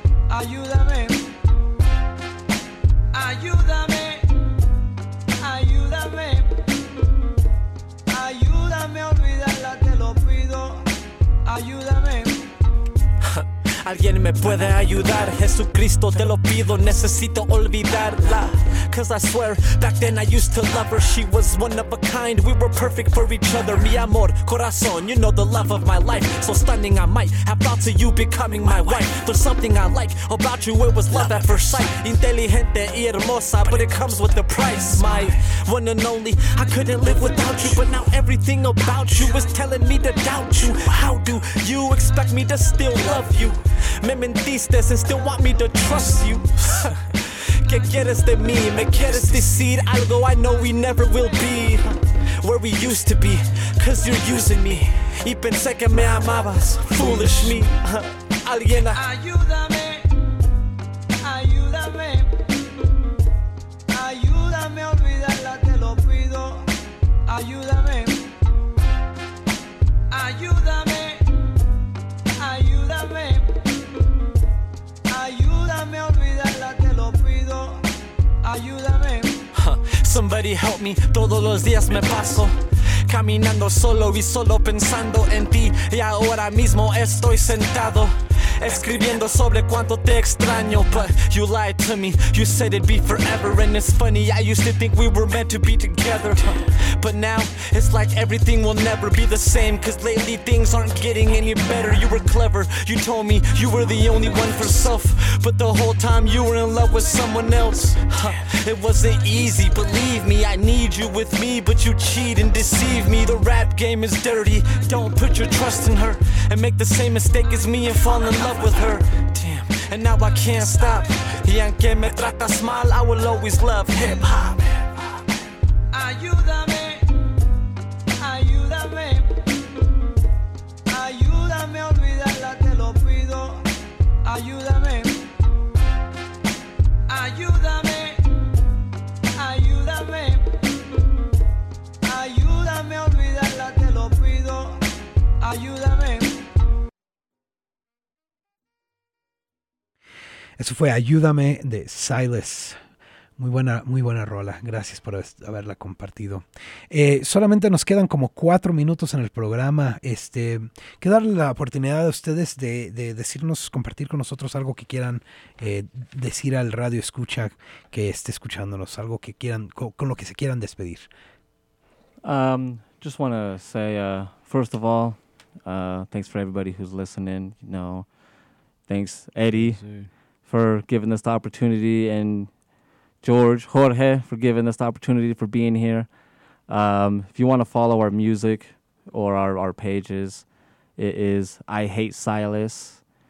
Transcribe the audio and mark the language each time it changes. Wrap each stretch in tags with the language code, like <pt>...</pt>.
<es>Ayúdame, ayúdame, ayúdame, ayúdame a olvidarla, te lo pido. Ayúdame. Alguien me puede ayudar, Jesucristo, te lo pido, necesito olvidarla.</es> <en>Cause I swear, back then I used to love her. She was one of a kind, we were perfect for each other.</en> <es>Mi amor, corazón,</es> <en>you know the love of my life. So stunning I might have thoughts of you becoming my wife. There's something I like about you, it was love at first sight.</en> <es>Inteligente y hermosa,</es> <en>but it comes with a price. My one and only, I couldn't live without you. But now everything about you is telling me to doubt you. How do you expect me to still love you?</en> <es>Me mentiste</es> <en>and still want me to trust you.</en> <es>¿Qué quieres de mí? ¿Me quieres decir algo?</es> <en>I know we never will be where we used to be, cause you're using me.</en> <es>Y pensé que me amabas,</es> <en>foolish me.</en> <es>Alguien ayúdame, ayúdame, ayúdame a olvidarla, te lo pido. Ayúdame, ayúdame, ayúdame, ayúdame a olvidarla, te lo pido. Ayúdame.</es> <en>Somebody help me,</en> <es>todos los días me paso caminando solo y solo pensando en ti. Y ahora mismo estoy sentado escribiendo sobre cuánto te extraño.</es> <en>But you lied to me, you said it'd be forever. And it's funny, I used to think we were meant to be together. But now, it's like everything will never be the same. Cause lately things aren't getting any better. You were clever, you told me you were the only one for self. But the whole time you were in love with someone else. It wasn't easy, believe me, I need you with me. But you cheat and deceive me, the rap game is dirty. Don't put your trust in her and make the same mistake as me and fall in love with her, damn, and now I can't stop.</en> <es>Y aunque me tratas mal,</es> <en>I will always love hip hop.</en> <es>Ayúdame, ayúdame, ayúdame a olvidarla, te lo pido. Ayúdame, ayúdame, ayúdame, ayúdame a olvidarla, te lo pido. Ayúdame. Eso fue Ayúdame de Silas. Muy buena rola. Gracias por haberla compartido. Solamente nos quedan como 4 minutos en el programa. Quiero darle la oportunidad a ustedes de decirnos, compartir con nosotros algo que quieran decir al radio escucha que esté escuchándonos, algo que quieran, con lo que se quieran despedir.</es> <en>Just want to say, first of all, thanks for everybody who's listening. You know, thanks Eddie for giving us the opportunity, and George, Jorge, for giving us the opportunity for being here. If you want to follow our music or our pages, it is I Hate Silas.</en>